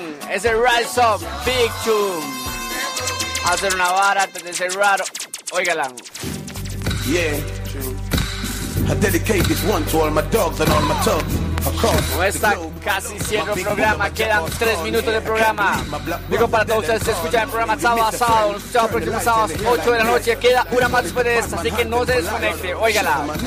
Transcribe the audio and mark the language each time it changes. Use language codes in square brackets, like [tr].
[es] Es el Rise Up Big Tune. Hacer una vara antes de cerrar. Óigala. [en] Yeah, I dedicate this one to all my dogs and all my thugs. [es] No está casi cierro el programa, quedan 3 minutos de programa. Digo para todos ustedes, se escucha el programa sábado a sábado, nos escuchamos el próximo sábado a las 8 de la noche, queda una más después de esta, así que no se desconecte, óigala.